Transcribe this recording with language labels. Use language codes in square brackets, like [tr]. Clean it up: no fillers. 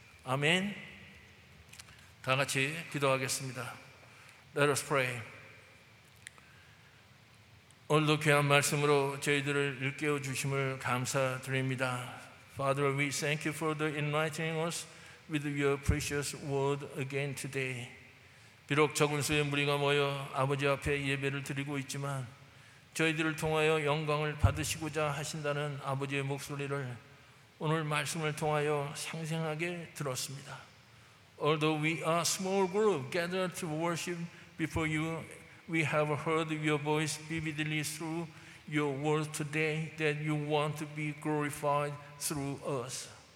[en] Amen. [ko] 다 같이 기도하겠습니다. [en] Let us pray. [ko] 오늘도 귀한 말씀으로 저희들을 일깨워 주심을 감사드립니다. [en] Father, we thank you for the enlightening us with your precious word again today. [ko] 비록 적은 수의 무리가 모여 아버지 앞에 예배를 드리고 있지만 저희들을 통하여 영광을 받으시고자 하신다는 아버지의 목소리를 오늘 말씀을 통하여 생생하게 들었습니다. [en] Although we are a small group gathered to worship before you, we have heard your voice vividly through your word today that you want to be glorified through us.